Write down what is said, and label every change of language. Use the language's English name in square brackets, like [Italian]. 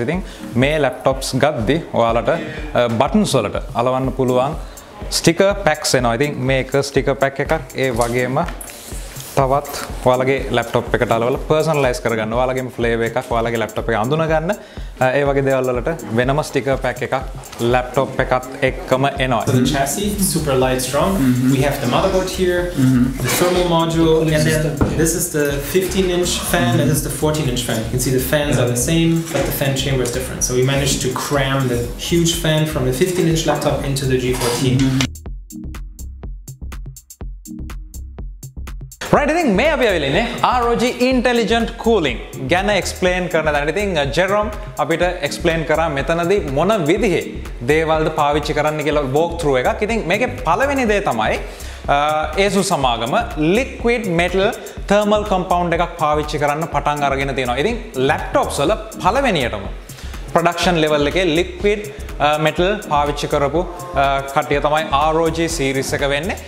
[Sinhala] ඉතින් මේ laptops ගද්දී ඔයාලට buttons වලට අලවන්න පුළුවන් sticker packs එනවා. ඉතින් මේක sticker pack එකක්. ඒ වගේම තවත් ඔයාලගේ laptop එකට අලවලා personalize කරගන්න ඔයාලගේම flavor එකක් ඔයාලගේ laptop එක අඳුනගන්න ඒ වගේ දේවල් වලට වෙනම ස්ටිකර් පැක් එකක් ලැප්ටොප් එකත් එක්කම එනවා. [English] So the chassis super light strong. Mm-hmm. We have the motherboard here. Mm-hmm. The thermal module. This is the 15-inch fan mm-hmm. and this is the 14-inch fan. You can see the fans yeah. are the same, but the fan chamber is different. So we managed to cram the huge fan from the 15-inch laptop into the G14. Mm-hmm. Right, I think [Sinhala] මේ අපි අවිලා ඉන්නේ ROG intelligent cooling ගැන explain කරන දැන් ඉතින් Jerome අපිට explain කරා මෙතනදී මොන විදිහේ දේවල්ද පාවිච්චි කරන්න කියලා walk through එකක් ඉතින් මේකේ පළවෙනි දේ තමයි Asus සමාගම liquid metal thermal compound එකක් පාවිච්චි කරන්න පටන් අරගෙන තියෙනවා ඉතින් laptops වල පළවෙනියටම production level එකේ liquid metal පාවිච්චි කරපු කට්ටිය තමයි ROG series එක වෙන්නේ.